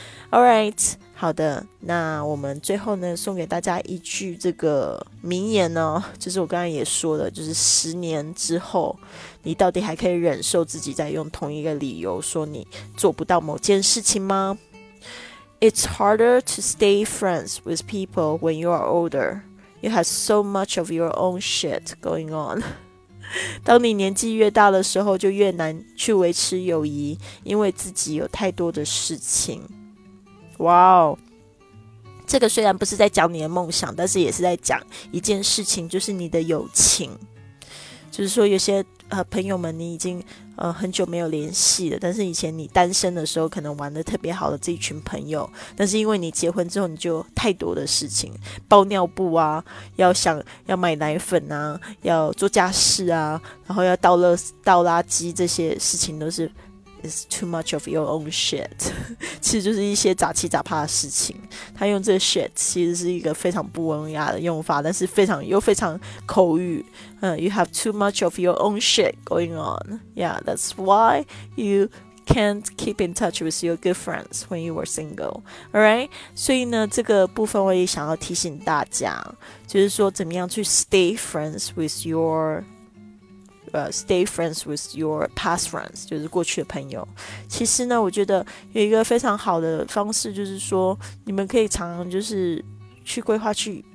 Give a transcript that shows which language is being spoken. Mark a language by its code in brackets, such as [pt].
[zh] Alright， 好的，那我们最后呢送给大家一句这个名言哦，就是我刚刚也说的，就是十年之后你到底还可以忍受自己在用同一个理由说你做不到某件事情吗？ [en] It's harder to stay friends with people when you are older. You have so much of your own shit going on. [zh] 当你年纪越大的时候就越难去维持友谊，因为自己有太多的事情。哇哦，这个虽然不是在讲你的梦想，但是也是在讲一件事情，就是你的友情。就是说有些朋友们你已经很久没有联系了，但是以前你单身的时候可能玩得特别好的这一群朋友，但是因为你结婚之后你就太多的事情，包尿布啊，要买奶粉啊，要做家事啊，然后要倒垃圾，这些事情都是 [en] It's too much of your own shit [zh] 其实就是一些杂七杂八的事情。他用这个 shit 其实是一个非常不文雅的用法，但是非常口语。 [en] You have too much of your own shit going on. Yeah, that's why you can't keep in touch with your good friends when you were single. [zh] Alright, 所以呢，这个部分我也想要提醒大家，就是说怎么样去 [en] stay friends with your past friends， [zh] 就是过去的朋友。其实呢，我觉得有一个非常好的方式，就是说你们可以常常就是去规划去